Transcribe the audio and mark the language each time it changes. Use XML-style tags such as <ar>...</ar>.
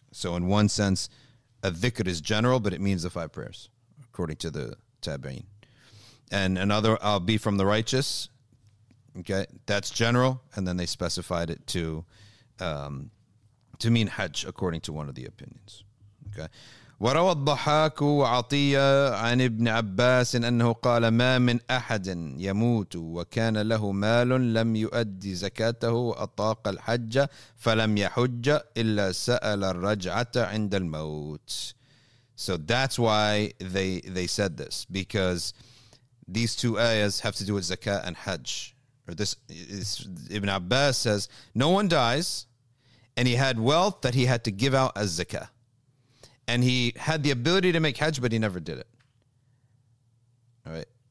<en>So in one sense, a dhikr is general, but it means the five prayers, according to the tabi'in. And another, I'll be from the righteous. Okay, that's general. And then they specified it to mean hajj, according to one of the opinions. Okay.</en> <ar>وروى الضحاك وعطية عن ابن عباس أنه قال ما من أحد يموت وكان له مال لم يؤدي زكاته وأطاق الحج فلم يحج إلا سأل الرجعة عند الموت.</ar> <en>So that's why they said this, because these two ayahs have to do with zakat and hajj. Or this is, Ibn Abbas says, no one dies and he had wealth that he had to give out as zakat. And he had the ability to make hajj, but he never did it. All right.</en>